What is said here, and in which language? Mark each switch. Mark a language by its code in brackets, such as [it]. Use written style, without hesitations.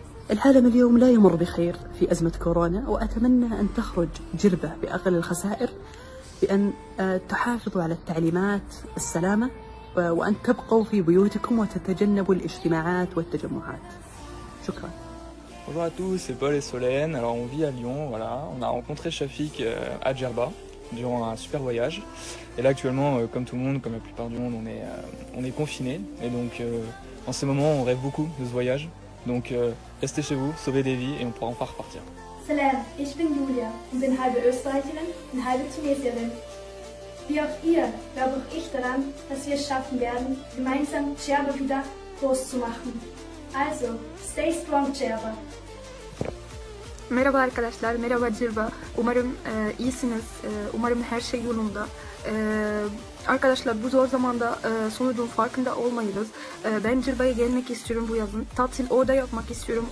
[ar] العالم اليوم لا يمر بخير في أزمة كورونا، وأتمنى أن تخرج جربة بأقل الخسائر، بأن تحافظوا على التعليمات السلامة وأن تبقوا في بيوتكم وتتجنبوا الاجتماعات والتجمعات. شكرا. [fr] Bonjour à tous, c'est Paul et Solène. Alors on vit à Lyon, voilà. On a rencontré Shafik à Djerba durant un super voyage. Et là actuellement, comme tout le monde, comme la plupart du monde, on est confiné. Et donc en ce moment, on rêve beaucoup de ce voyage. Donc restez chez vous, sauvez des vies et on pourra enfin repartir. [de] Salam, ich bin Julia und bin halbe Österreicherin und halbe Tunesierin. Wie auch ihr glaube auch ich daran, dass wir es schaffen werden, gemeinsam Djerba wieder groß zu machen. [en] Also, stay strong Djerba. [tr] Merhaba arkadaşlar, merhaba Cirba. Umarım iyisiniz, umarım her şey yolunda. Arkadaşlar bu zor zamanda sonucun farkında olmayınız. Ben Cirba'ya gelmek istiyorum bu yazın. Tatil orada yapmak istiyorum.